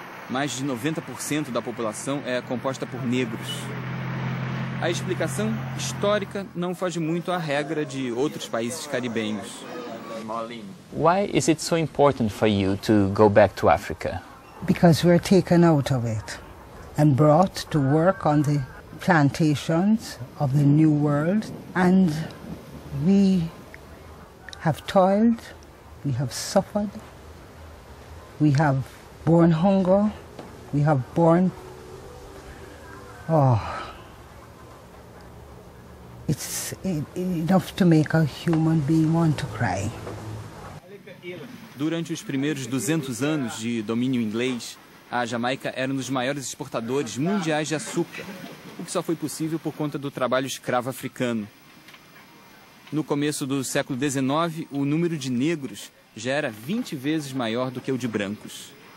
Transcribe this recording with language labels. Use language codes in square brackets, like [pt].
[pt] Mais de 90% da população é composta por negros. A explicação histórica não foge muito à regra de outros países caribenhos. [en] Why is it so important for you to go back to Africa? Because we're taken out of it and brought to work on the plantations of the New World, and we have toiled, we have suffered, we have borne hunger, we have borne, oh, it's enough to make a human being want to cry. [pt] Durante os primeiros 200 anos de domínio inglês, a Jamaica era um dos maiores exportadores mundiais de açúcar, o que só foi possível por conta do trabalho escravo africano. No começo do século XIX, o número de negros já era 20 vezes maior do que o de brancos.